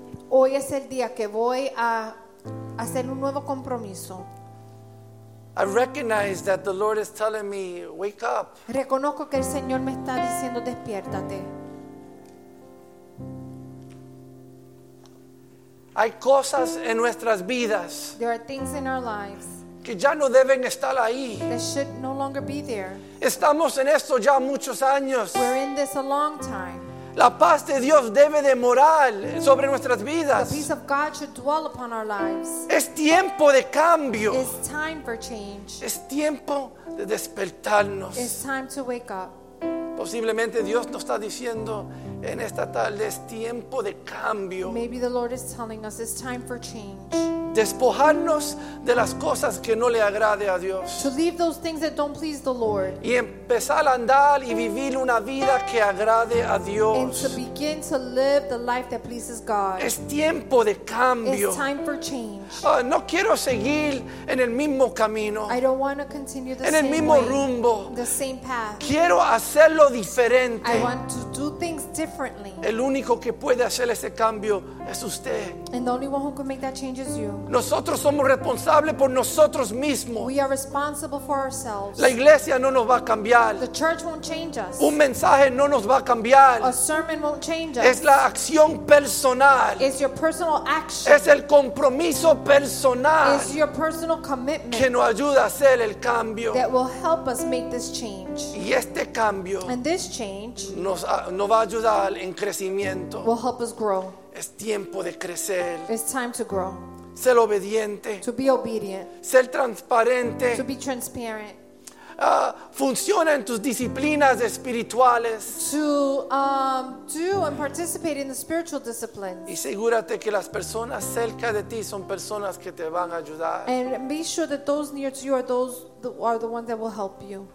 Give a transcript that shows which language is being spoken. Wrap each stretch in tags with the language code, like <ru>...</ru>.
<es>Hoy es el día que voy a hacer un nuevo compromiso.</es> <en>I recognize that the Lord is telling me, wake up.</en> <es>Reconozco que el Señor me está diciendo, despiértate. Hay cosas en nuestras vidas.</es> <en>There are things in our lives.</en> <es>Que ya no deben estar ahí.</es> <en>They should no longer be there.</en> <es>Estamos en esto ya muchos años.</es> <en>We're in this a long time.</en> <es>La paz de Dios debe de morar sobre nuestras vidas.</es> <en>The peace of God should dwell upon our lives.</en> <es>Es tiempo de cambio.</es> <en>It's time for change.</en> <es>Es tiempo de despertarnos.</es> <en>It's time to wake up.</en> <es>Posiblemente Dios nos está diciendo en esta tarde, es tiempo de cambio.</es> <en>Maybe the Lord is telling us it's time for change.</en> <es>Despojarnos de las cosas que no le agrade a Dios.</es> <en>To leave those things that don't please the Lord.</en> <es>Y empezar a andar y vivir una vida que agrade a Dios.</es> <en>And to begin to live the life that pleases God.</en> <es>Es tiempo de cambio.</es> <en>It's time for change.</en> <es>No quiero seguir en el mismo camino.</es> <en>I don't want to continue the</en> <es>en el</es> <en>same</en> <es>mismo</es> <en>way,</en> <es>rumbo.</es> <en>The same path.</en> <es>Quiero hacerlo diferente.</es> <en>I want to do things differently.</en> <es>El único que puede hacer ese cambio es usted.</es> <en>And the only one who can make that change is you.</en> <es>Nosotros somos responsables por nosotros mismos.</es> <en>We are responsible for ourselves.</en> <es>La iglesia no nos va a cambiar.</es> <en>The church won't change us.</en> <es>Un mensaje no nos va a cambiar.</es> <en>A sermon won't change us.</en> <es>Es la acción personal.</es> <en>It's your personal action.</en> <es>Es el compromiso personal.</es> <en>It's your personal commitment.</en> <es>Que nos ayuda a hacer el cambio.</es> <en>That will help us make this change.</en> <es>Y este cambio.</es> <en>And this change.</en> <es>Nos va a ayudar en crecimiento.</es> <en>Will help us grow.</en> <es>Es tiempo de crecer.</es> <en>It's time to grow.</en> <es>Ser obediente.</es> <en>To be obedient.</en> <es>Ser transparente.</es> <en>To be transparent.</en> <es>Funciona en tus disciplinas espirituales.</es> <en>To do and participate in the spiritual disciplines.</en> <es>Y asegúrate que las personas cerca de ti son personas que te van a ayudar.</es> <en>And be sure that those near to you are those are the ones that will help you.</en>